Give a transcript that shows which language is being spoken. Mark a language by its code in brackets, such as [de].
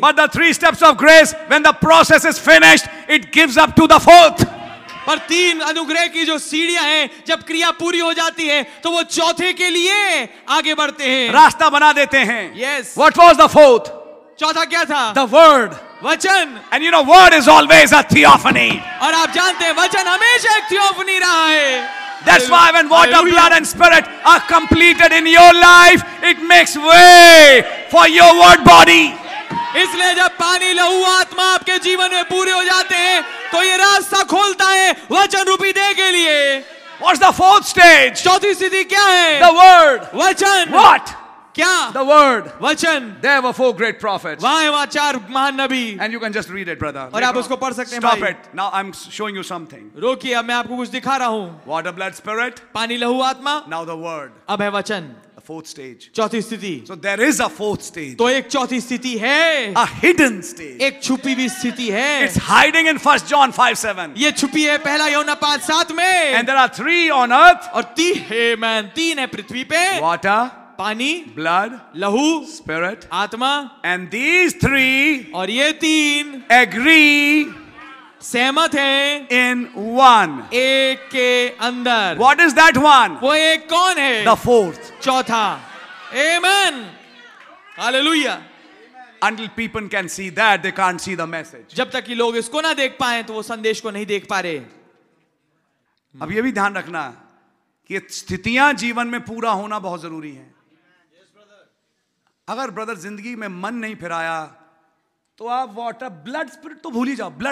[en] But the three steps of grace, when the process is finished, it gives up to the fourth. [hi] पर तीन अनुग्रह की जो सीढ़ियां हैं, जब क्रिया पूरी हो जाती है तो वो चौथे के लिए आगे बढ़ते हैं, रास्ता बना देते हैं. [en] Yes. What was the fourth? [hi] चौथा क्या था? [en] The word. [hi] वचन. [en] And you know, word is always a theophany. [hi] और आप जानते हैं वचन हमेशा एक थियोफनी रहा है. [en] That's why when water, blood and spirit are completed in your life, it makes way for your word body. [hi] इसलिए जब पानी लहू आत्मा आपके जीवन में पूरे हो जाते हैं तो ये रास्ता खोलता है वचन रूपी देह के लिए. [en] What's the fourth stage? [hi] चौथी स्थिति क्या है? [en] The word. [hi] वचन. [en] What? [hi] क्या? [en] The word. [hi] वचन. [en] There were four great prophets. [hi] वहाँ वहाँ चार महान नबी. [en] And you can just read it, brother. [hi] और आप उसको पढ़ सकते हैं. [en] Stop it. Now I'm showing you something. [hi] रोकिए, अब मैं आपको कुछ दिखा रहा हूँ. [en] Water, blood, spirit. [hi] पानी लहू आत्मा. [en] Now the word. [hi] अब है वचन. [en] Fourth stage. [hi] चौथी स्थिति. [en] So there is a fourth stage. [hi] तो एक चौथी स्थिति है. [en] A hidden stage. [hi] एक छुपी हुई स्थिति है. [en] It's hiding in 1 John 5:7. [hi] ये छुपी है पहला योना 5:7 में. [en] And there are three on earth. [hi] और तीन है, man, तीन है पृथ्वी पे. [en] Water. [hi] पानी. [en] Blood. [hi] लहू. [en] Spirit. [hi] आत्मा. [en] And these three. [hi] और ये तीन. [en] Agree. [hi] सहमत है. [en] In one. [hi] एक के अंदर. [en] What is that one? [hi] वो एक कौन है? [en] The fourth. [hi] चौथा. Amen. Hallelujah. [en] Until people can see that, they can't see the message. [hi] जब तक कि लोग इसको ना देख पाए तो वो संदेश को नहीं देख पा रहे. अब ये भी ध्यान रखना कि स्थितियां जीवन में पूरा होना बहुत जरूरी है. अगर ब्रदर जिंदगी में मन नहीं फिराया तो आप वाटर ब्लड स्पिरिट तो भूल ही जाओ.